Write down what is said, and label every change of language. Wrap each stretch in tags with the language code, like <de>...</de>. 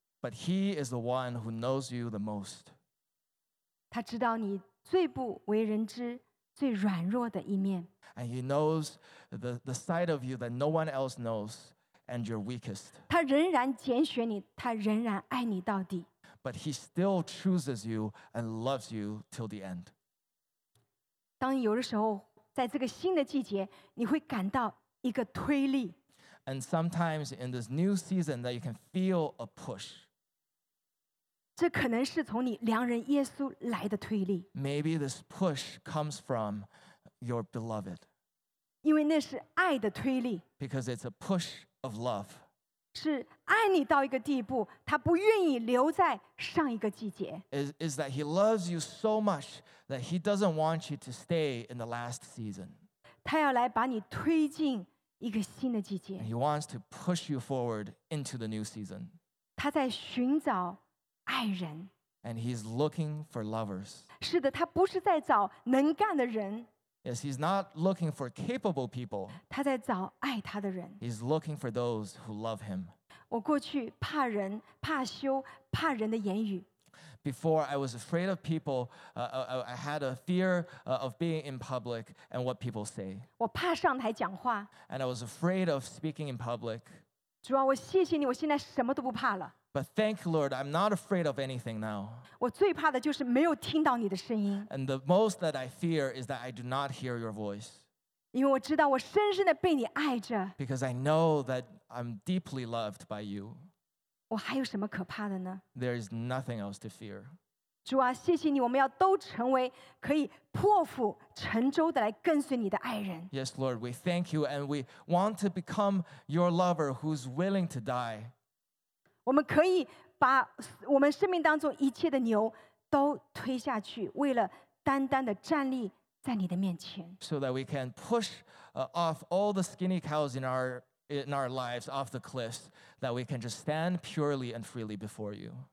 <en>But he is the one who knows you the most.</en> <zh>他知道你最不为人知、最软弱的一面。</zh> <en>And he knows the side of you that no one else knows and your weakest.</en> <zh>他仍然拣选你，他仍然爱你到底。</zh> <en>But he still chooses you and loves you till the end.</en> <zh>当有的时候在这个新的季节你会感到一个推力。</zh> <en>And sometimes in this new season that you can feel a push.</en> <zh>这可能是从你良人耶稣来的推力。</zh> <en>Maybe this push comes from your beloved.</en> <zh>因为那是爱的推力。</zh> <en>Because it's a push of love.</en> <zh>是爱你到一个地步他不愿意留在上一个季节。</zh> <en>Is that he loves you so much. That he doesn't want you to stay in the last season. And he wants to push you forward into the new season. And he's looking for lovers.</en> <zh>是的，他不是在找能干的人。</zh> <en>Yes, he's not looking for capable people.</en> <zh>他在找爱他的人。</zh> <en>He's looking for those who love him.</en> <zh>我过去怕人，怕羞，怕人的言语。</zh> <en>Before, I was afraid of people. I had a fear of being in public and what people say.</en> <zh>我怕上台讲话。</zh> <en>And I was afraid of speaking in public.</en> <zh>主啊，我谢谢你，我现在什么都不怕了。</zh> <en>But thank you, Lord, I'm not afraid of anything now.</en> <zh>我最怕的就是没有听到你的声音。</zh> <en>And the most that I fear is that I do not hear your voice.</en> <zh>因为我知道我深深地被你爱着。</zh> <en>Because I know that I'm deeply loved by you.</en> <zh>我还有什么可怕的呢?</zh> <en>There is nothing else to fear.</en> <zh>主啊，谢谢你，我们要都成为可以破釜沉舟的来跟随你的爱人。</zh> <en>Yes, Lord, we thank you, and we want to become your lover who's willing to die.</en> <zh>我们可以把我们生命当中一切的牛都推下去，为了单单的站立在你的面前。</zh> <en>So that we can push off all the skinny cows in our lives off the cliffs, that we can just stand purely and freely before you.</en>